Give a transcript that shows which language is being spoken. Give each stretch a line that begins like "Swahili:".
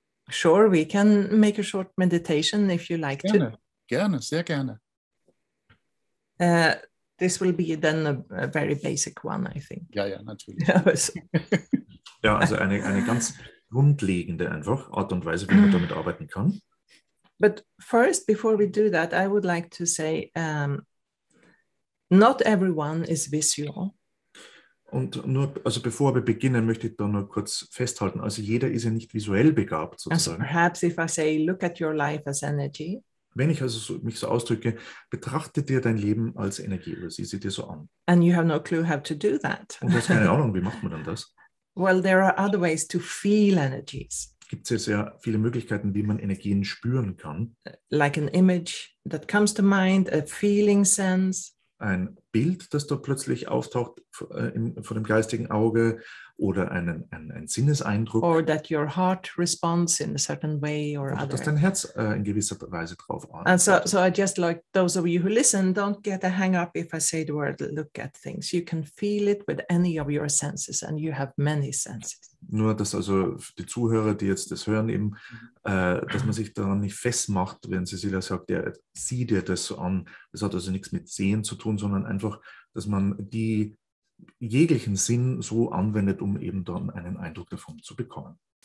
English: Sure, we can make a short meditation if you like
German: gerne, to. Gerne, sehr gerne.
English: This will be then a very basic one, I think.
German: Ja, natürlich. Ja, also eine ganz grundlegende einfach Art und Weise, wie man damit arbeiten kann.
English: But first, before we do that, I would like to say, not everyone is visual.
German: Und nur, also bevor wir beginnen, möchte ich da nur kurz festhalten, also jeder ist ja nicht visuell begabt, sozusagen.
English: So perhaps if I say, look at your life as energy.
German: Wenn ich also mich so ausdrücke, betrachte dir dein Leben als Energie oder sieh sie dir so an.
English: And you have no clue how to do that.
German: Und du hast keine Ahnung, wie macht man dann das?
English: Well, there are other ways to feel energies.
German: Gibt es ja sehr viele Möglichkeiten, wie man Energien spüren kann.
English: Like an image that comes to mind, a feeling sense.
German: Ein Bild, das da plötzlich auftaucht vor dem geistigen Auge oder ein Sinneseindruck.
English: Or that your heart responds in a certain way or
German: oder
English: other.
German: Dass dein Herz in gewisser Weise drauf antwortet.
English: And so I just like those of you who listen, don't get a hang up if I say the word look at things. You can feel it with any of your senses and you have many senses.
German: Nur, dass also die Zuhörer, die jetzt das hören eben, dass man sich daran nicht festmacht, wenn Cecilia sagt, ja, sieh dir das so an. Das hat also nichts mit Sehen zu tun, sondern einfach, dass man die jeglichen Sinn so anwendet, um eben dann einen Eindruck davon zu bekommen.